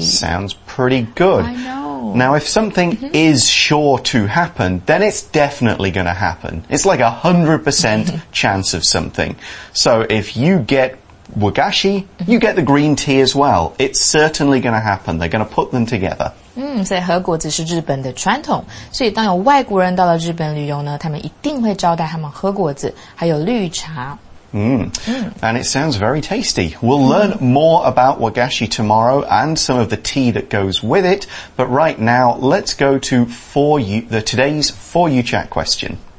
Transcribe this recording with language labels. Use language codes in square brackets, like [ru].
[en] Sounds pretty good. I know. Now, if something、mm-hmm. is sure to happen, then it's definitely going to happen. It's like 100% chance of something. So if you get... Wagashi, you get the green tea as well. It's certainly going to happen. They're going to put them together. [zh] 所以核果子是日本的传统。所以当有外国人到了日本旅游呢，他们一定会招待他们核果子还有绿茶。 [en] And it sounds very tasty. We'll learn more about wagashi tomorrow and some of the tea that goes with it. But right now, let's go to today's For You Chat question.